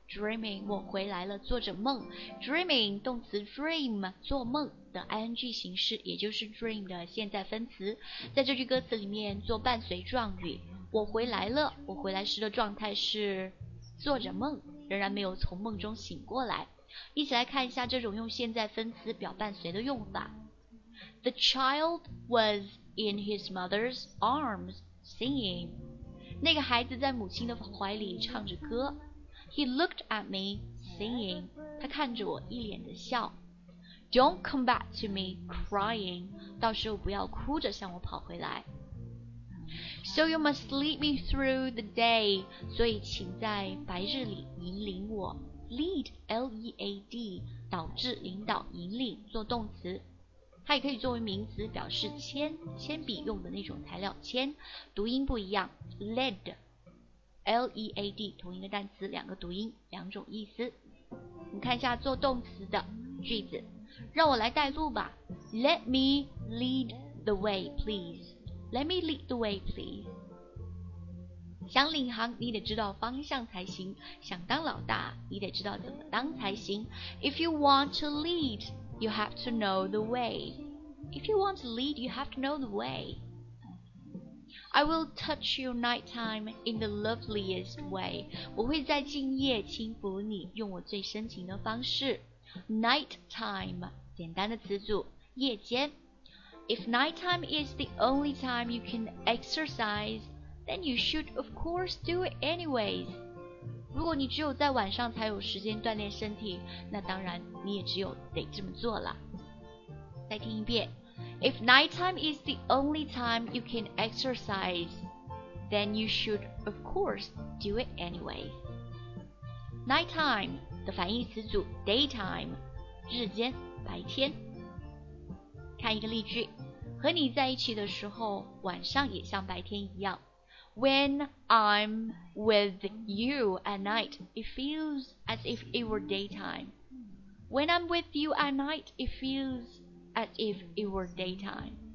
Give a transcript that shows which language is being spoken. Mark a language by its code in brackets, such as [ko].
[zh] Dreaming, 我回来了，做着梦。Dreaming, 动词 dream, 做梦的 ing 形式，也就是 dream 的现在分词，在这句歌词里面做伴随状语。我回来了，我回来时的状态是做着梦，仍然没有从梦中醒过来。一起来看一下这种用现在分词表伴随的用法。 [en] The child was in his mother's arms singing. [zh] 那个孩子在母亲的怀里唱着歌。 [en] He looked at me singing. [zh] 他看着我一脸的笑。 [en] Don't come back to me crying. [zh] 到时候不要哭着向我跑回来。 [en] So you must lead me through the day. [zh] 所以请在白日里引领我。Lead, L-E-A-D, 导致、领导、引领，做动词。它也可以作为名词，表示铅，铅笔用的那种材料，铅，读音不一样。 Lead, L-E-A-D, 同一个单词，两个读音，两种意思。我们看一下做动词的句子，让我来带路吧。 [en] Let me lead the way, please. Let me lead the way, please. [zh] 想领航，你得知道方向才行。想当老大，你得知道怎么当才行。 [en] If you want to lead, you have to know the way. If you want to lead, you have to know the way. I will touch your nighttime in the loveliest way. [zh] 我会在今夜轻抚你，用我最深情的方式。 Nighttime, 简单的词组，夜间。 [en] If nighttime is the only time you can exercise,Then you should, of course, do it anyways. [zh] 如果你只有在晚上才有时间锻炼身体，那当然你也只有得这么做了。再听一遍。 [en] If nighttime is the only time you can exercise, then you should, of course, do it anyways. [zh] Nighttime 的反义词组 daytime, 日间、白天。看一个例句。和你在一起的时候，晚上也像白天一样。 [en] When I'm with you at night, it feels as if it were daytime. When I'm with you at night, it feels as if it were daytime.